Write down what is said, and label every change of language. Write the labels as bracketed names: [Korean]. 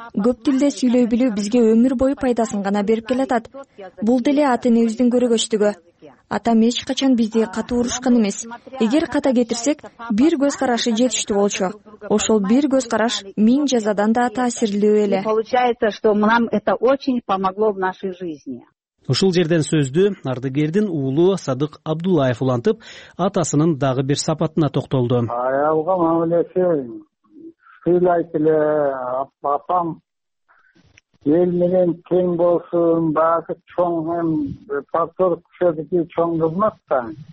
[Kyrgyz] Көп тилде сүйлөй билүү бизге өмүр бою пайдасын гана берип келатат. Бул деле ата-энебиздин көрөгөчтүгү. Атам эч качан бизди катуу урушкан эмес. Эгер ката кетирсек, бир көз карашы жетиштүү болчу. Ошол бир көз караш миң жазадан да таасирлүү эле. [Russian] Получается, что нам это очень помогло в нашей жизни. [Kyrgyz] Ушул жерден сөздү ардыгердин уулу Садык Абдуллаев улантып, атасынын дагы бир сапатына токтолду. Аялга мамилеси сыйлайт эле, апам эл менен тең болсун, баасы чоң эм партор кушедики чоң кызмат да.